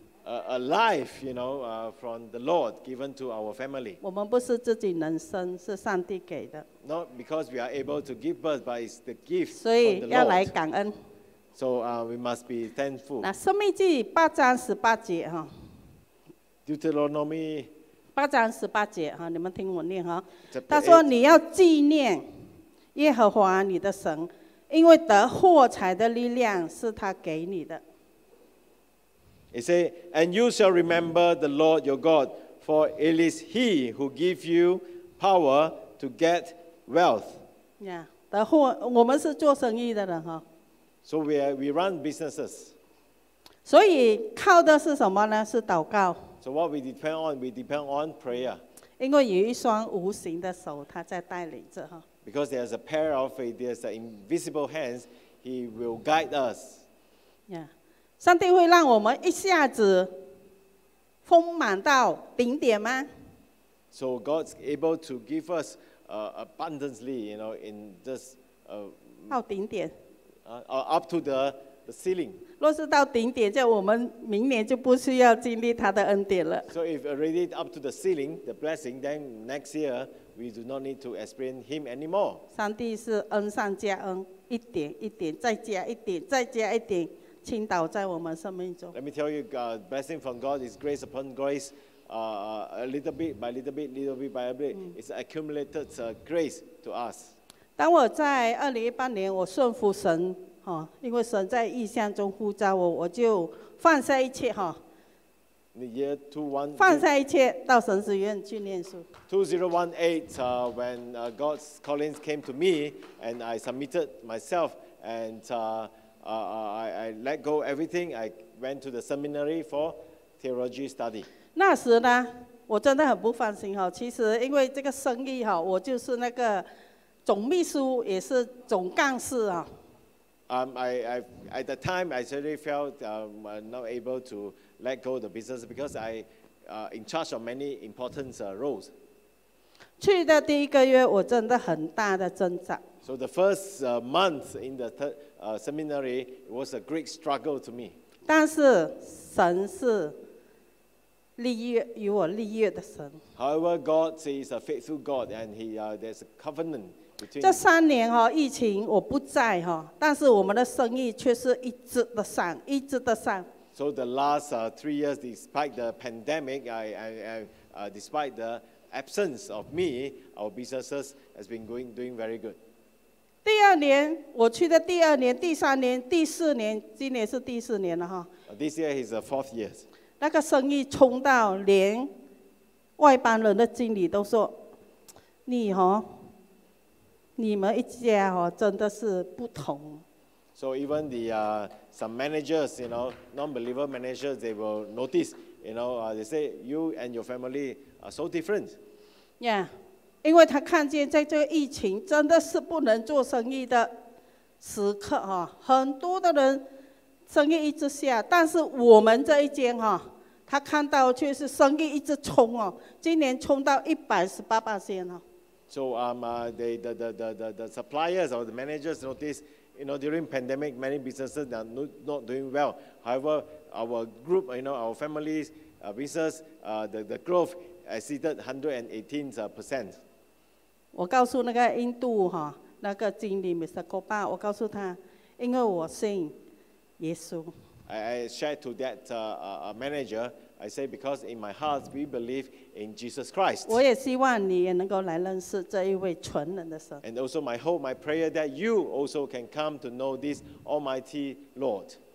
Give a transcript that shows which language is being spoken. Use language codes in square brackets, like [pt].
[en] A life, you know, from the Lord given to our family. [zh] 我们不是自己能生，是上帝给的。 [en] Not because we are able to give birth, but it's the gift from the Lord. [zh] 所以要来感恩。 [en] So we must be thankful. [zh] 那生命记八章十八节哈。 [en] Deuteronomy. [zh] 八章十八节哈，你们听我念哈。他说你要纪念耶和华你的神，因为得获财的力量是他给你的。 [en] It says, and you shall remember the Lord your God, for it is He who gives you power to get wealth. [zh] Yeah, 我们是做生意的人哈。 [en] So we run businesses. [zh] 所以靠的是什么呢？是祷告。 [en] So what we depend on? We depend on prayer. [zh] 因为有一双无形的手，他在带领着哈。 [en] Because there's a pair of faith, there's an invisible hands, He will guide us. Yeah. [zh] 上帝会让我们一下子丰满到顶点吗？ [en] So God's able to give us abundantly, you know, in just [zh] 到顶点 [en] up to the ceiling. [zh] 若是到顶点，就我们明年就不需要经历他的恩典了。 [en] So if already up to the ceiling, the blessing, then next year we do not need to experience Him anymore. [zh] 上帝是恩上加恩，一点一点再加一点，再加一点。倾倒在我们生命中。 [en] Let me tell you, blessing from God is grace upon grace, a little bit by little bit, little bit by little bit. It's accumulated grace to us. [zh] 当我在2018年，我顺服神，哈，因为神在异象中呼召我，我就放下一切，哈。 [en] The year 2018. [zh] 放下一切，到神学院去念书。 [en] 2018, when God's calling came to me, and I submitted myself, and I let go everything. I went to the seminary for theology study. [zh] 那时呢，我真的很不放心哈。其实因为这个生意哈，我就是那个总秘书，也是总干事啊。 [en] I at the time I actually felt not able to let go the business because I in charge of many important roles. [zh] 去的第一个月，我真的很大的挣扎。 [en] So the first month in the third seminary it was a great struggle to me. [zh] 但是神是立约与我立约的神。 [en] However, God is a faithful God, and He there's a covenant between. [zh] 这三年哈，疫情我不在哈，但是我们的生意却是一直的上，一直的上。 [en] So the last three years, despite the pandemic, despite the absence of me, our businesses has been doing very good. [zh] 第二年我去的第二年第三年第四年今年是第四年了哈。 [en] This year is the fourth year. [zh] 那个生意冲到连外班人的经理都说你哈、哦、你们一家哈、哦、真的是不同。 [en] So even the some managers, you know, non-believer managers, they will notice, you know, they say you and your family are so different. Yeah. [zh] 因为他看见在这个疫情真的是不能做生意的时刻哈，很多的人生意一直下，但是我们这一间哈，他看到却是生意一直冲哦，今年冲到118%哦。 [en] So the suppliers or the managers noticed, you know, during pandemic, many businesses are not doing well. However, our group, you know, our families, business, the growth exceeded 118%. [zh] 我告诉那个印度那个经理 Mr. Gopal, 我告诉他，因为我信耶稣。 [en] I shared to that manager. I say because in my heart we believe in Jesus Christ. [zh] 我也希望你也能够来认识这一位全能的神。 [en] And also my hope, my prayer that you also can come to know this Almighty Lord.